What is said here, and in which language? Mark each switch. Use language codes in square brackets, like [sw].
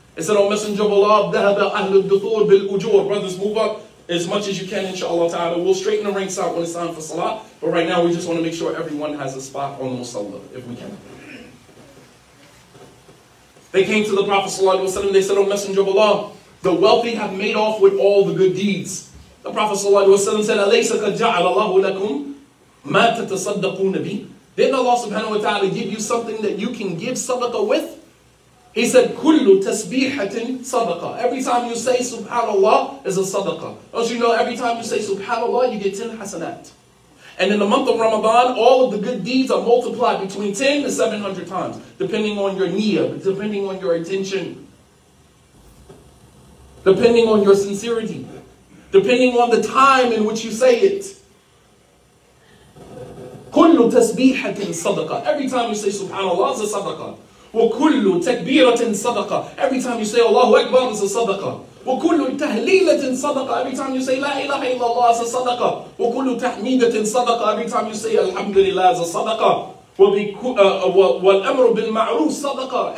[en] They said, oh, Messenger of Allah, [ar] dhahaba ahlu dhuhur bil ujur. [en] Brothers, move up as much as you can, inshallah ta'ala. We'll straighten the ranks out when it's time for salah. But right now, we just want to make sure everyone has a spot on the musalla, if we can. They came to the Prophet sallallahu alaihi wasallam. They said, oh, Messenger of Allah, the wealthy have made off with all the good deeds. The Prophet sallallahu alaihi wasallam said, [ar] أَلَيْسَ قَدْ جَعَلَ اللَّهُ لَكُمْ مَا تَتَصَدَّقُونَ بِهِ. [en] Didn't Allah subhanahu wa ta'ala give you something that you can give sadaqah with? He said, [ar] كُلُّ تَسْبِيحَةٍ [en] sadaqah. Every time you say subhanallah is a sadaqah. Don't you know every time you say subhanallah, you get 10 hasanat. And in the month of Ramadan, all of the good deeds are multiplied between 10 to 700 times, depending on your niyyah, depending on your intention, depending on your sincerity, depending on the time in which you say it. [ar] كُلُّ تَسْبِيحَةٍ sadaqah. [en] Every time you say subhanallah is a sadaqah. [ar] وَكُلُّ تَكْبِيرَةٍ صَدَقَةٍ. [en] Every time you say Allahu Akbar is a sadaqah. [ar] وَكُلُّ تَهْلِيلَةٍ صَدَقَةٍ. [en] Every time you say La ilaha illallah is a sadaqah. [ar] وَكُلُّ تَحْمِيدَةٍ صَدَقَةٍ. [en] Every time you say Alhamdulillah is a sadaqah. [ar] وَالْأَمْرُ بِالْمَعْرُوفِ صَدَقَةٍ.